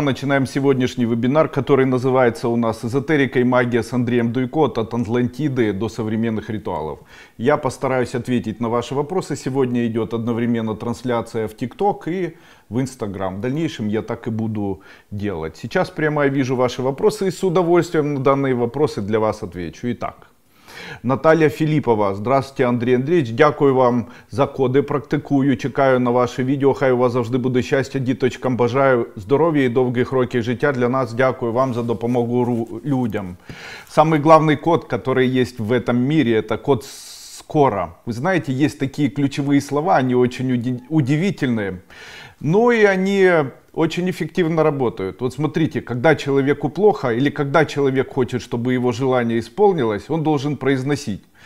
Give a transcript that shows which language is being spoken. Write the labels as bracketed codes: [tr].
[ru] Начинаем сегодняшний вебинар, который называется у нас «Эзотерика и магия» с Андреем Дуйко, от Атлантиды до современных ритуалов. Я постараюсь ответить на ваши вопросы. Сегодня идет одновременно трансляция в ТикТок и в Инстаграм. В дальнейшем я так и буду делать. Сейчас прямо я вижу ваши вопросы и с удовольствием на данные вопросы для вас отвечу. Итак. Наталья Филиппова. [uk] Здравствуйте, Андрій Андрійович. Дякую вам за коди, практикую, чекаю на ваше відео. Хай у вас завжди буде щастя, діточкам. Бажаю здоров'я і довгих років життя для нас. Дякую вам за допомогу людям. [ru] Самый главный код, который есть в этом мире, это код «скоро». Вы знаете, есть такие ключевые слова, они очень удивительные. Ну и они очень эффективно работают. Вот смотрите, когда человеку плохо или когда человек хочет, чтобы его желание исполнилось, он должен произносить.